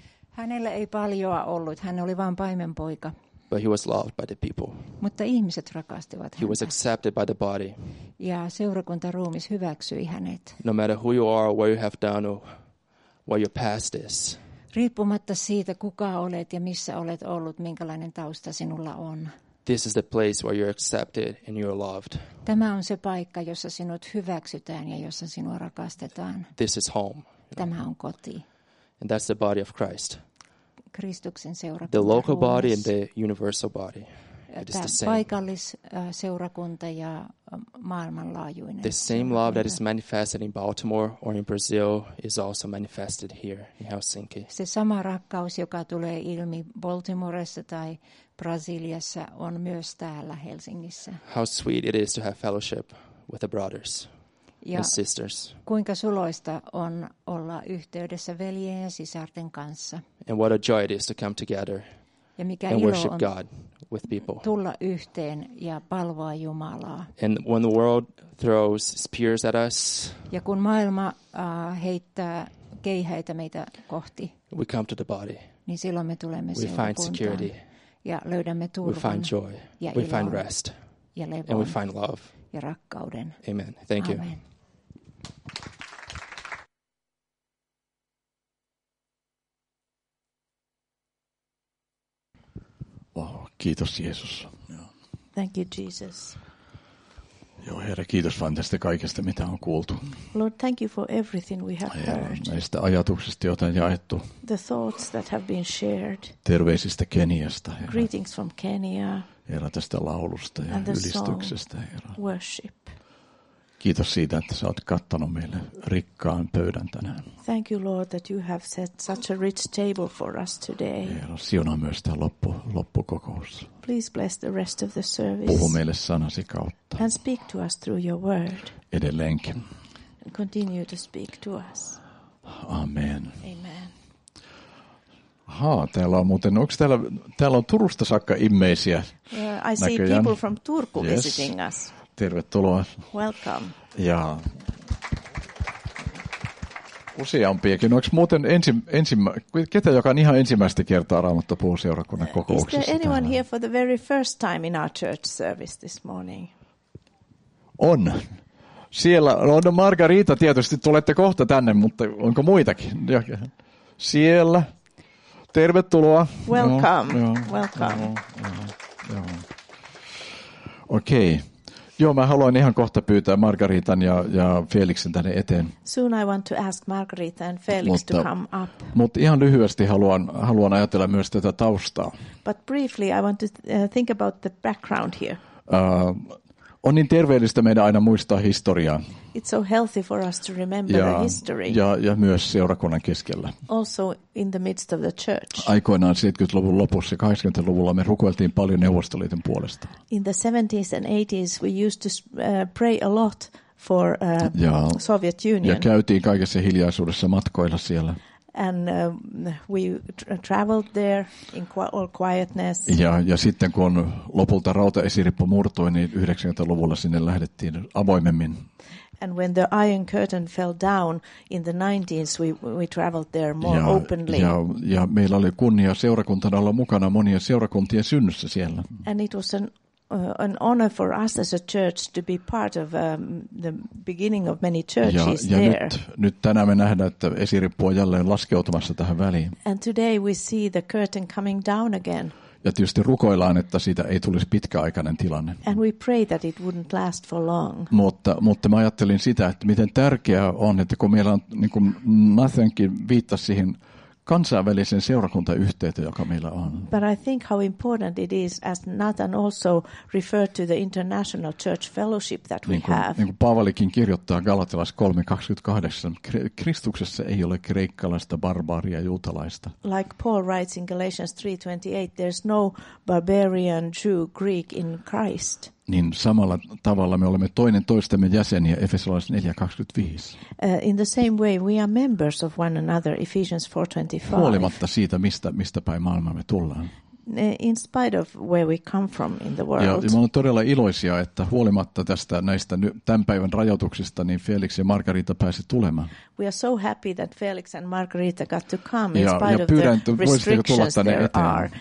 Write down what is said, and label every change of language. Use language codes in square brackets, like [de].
[fi] Hänellä ei paljoa ollut, hän oli vain paimenpoika. [en] But he was loved by the people. [fi] Mutta ihmiset rakastivat häntä. [en] He was accepted by the body. [fi] Ja seurakuntaruumis hyväksyi hänet. [en] No matter who you are, what you have done, or what your past is. [fi] Riippumatta siitä, kuka olet ja missä olet ollut, minkälainen tausta sinulla on. [en] This is the place where you're accepted and you're loved. [fi] Tämä on se paikka, jossa sinut hyväksytään ja jossa sinua rakastetaan. [en] This is home. [fi] Tämä on koti. [en] And that's the body of Christ. [fi] Kristuksen seurakunta. [en] The local body and the universal body. [fi] Paikallisseurakunta ja maailmanlaajuinen. [en] The same love that is manifested in Baltimore or in Brazil is also manifested here in Helsinki. [fi] Se sama rakkaus, joka tulee ilmi Baltimoressa tai Brasiliassa, on myös täällä Helsingissä. [en] How sweet it is to have fellowship with the brothers [fi] ja [en] and sisters. [fi] Kuinka suloista on olla yhteydessä veljen ja sisarten kanssa. [en] And what a joy it is to come together and worship God with people. [fi] Tulla yhteen ja palvoa Jumalaa. [en] And when the world throws spears at us, [fi] ja kun maailma heittää keihäitä meitä kohti, [en] we come to the body. [fi] Niin silloin me tulemme seurakuntaan. [en] We find security. [fi] Ja löydämme turvan. [en] We find joy. [fi] Ja [en] we find rest. [fi] Ja levon. [en] And we find love. [fi] Ja rakkauden. [en] Amen. Thank you. [fi] Wow, kiitos Jeesus. [en] Thank you Jesus. [fi] Joo, Herra, kiitos vaan tästä kaikesta, mitä on kuultu. [en] Lord, thank you for everything we have heard. [fi] Näistä ajatuksista, joita on jaettu. [en] The thoughts that have been shared. [fi] Terveisistä Keniasta, Herra. [en] Greetings from Kenya. [fi] Herra, tästä laulusta ja ylistyksestä, Herra. [en] And the song, worship. [fi] Kiitos siitä, että sä oot kattanut meille rikkaan pöydän tänään. [en] Thank you, Lord, that you have set such a rich table for us today. [fi] Herra, siunaa myös tämä loppukokous. [en] Please bless the rest of the service. [fi] Puhu meille sanasi kautta. [en] And speak to us through your word. [fi] Edelleenkin. [en] And continue to speak to us. Amen. Amen. [fi] Haa, täällä on muuten, onko täällä, täällä on Turusta saakka immeisiä [en] I see [fi] näköjään. [en] People from Turku yes. Visiting us. [fi] Tervetuloa. [en] Welcome. [fi] Ja useampiakin. Onko muuten ketä, joka on ihan ensimmäistä kertaa Raamattopuun seurakunnan kokouksessa? [en] Is there anyone [fi] täällä? [en] Here for the very first time in our church service this morning? [fi] On. Siellä on Margarita, tietysti tulette kohta tänne, mutta onko muitakin? Siellä. Tervetuloa. [en] Welcome. Joo, welcome. Okei. Okay. [fi] Joo, mä haluan ihan kohta pyytää Margaritan ja Felixin tänne eteen. [en] Soon I want to ask Margarita and Felix to come up. [fi] Mutta ihan lyhyesti haluan ajatella myös tätä taustaa. [en] But briefly I want to think about the background here. [fi] On niin terveellistä meidän aina muistaa historiaa. [en] It's so healthy for us to remember [fi] ja, [en] the history. [fi] Ja myös seurakunnan keskellä. [en] Also in the midst of the church. [fi] Aikoinaan 70-luvun lopussa ja 80-luvulla me rukoiltiin paljon Neuvostoliiton puolesta. [en] In the 70s and 80s we used to pray a lot for [fi] ja, [en] Soviet Union. [fi] Ja käytiin kaikessa hiljaisuudessa matkoilla siellä. [en] And we traveled there in all quietness. [fi] Ja sitten kun lopulta rautaesirippu murtui, niin 90-luvulla sinne lähdettiin avoimemmin. [en] And when the Iron Curtain fell down in the 90s, we traveled there more openly. [fi] Ja meillä oli kunnia seurakuntana olla mukana monien seurakuntien synnyssä siellä. [en] And it was an honor for us as a church to be part of the beginning of many churches [fi] ja [en] there. [fi] Ja nyt tänään me nähdään, että esirippu on jälleen laskeutumassa tähän väliin. [en] And today we see the curtain coming down again. [fi] Ja tietysti rukoillaan, että siitä ei tulisi pitkäaikainen tilanne. [en] And we pray that it wouldn't last for long. [fi] Mutta mä ajattelin sitä, että miten tärkeää on, että kun meillä on, niin kuin Nathankin viittasi siihen kansainvälisen seurakuntayhteyteen, joka meillä on. [en] But I think how important it is, as Nathan also referred to the international church fellowship that we have. [fi] Niin kuin Paavalikin kirjoittaa Galatilais 3:28, Kristuksessa ei ole kreikkalaista, barbaaria, juutalaista. [en] Like Paul writes in Galatians 3:28, there's no barbarian, Jew, Greek in Christ. [fi] Niin samalla tavalla me olemme toinen toistemme jäseniä Efesolaiset 4:25. [en] In the same way we are members of one another Ephesians 4:25. [fi] Huolimatta siitä mistä päin maailmaa me tullaan. [en] In spite of where we come from in the world. [fi] Ja me olemme todella iloisia, että huolimatta näistä tämän päivän rajoituksista, niin Felix ja Margarita pääsi tulemaan. [en] We are so happy that Felix and Margarita got to come in spite of the restrictions there are.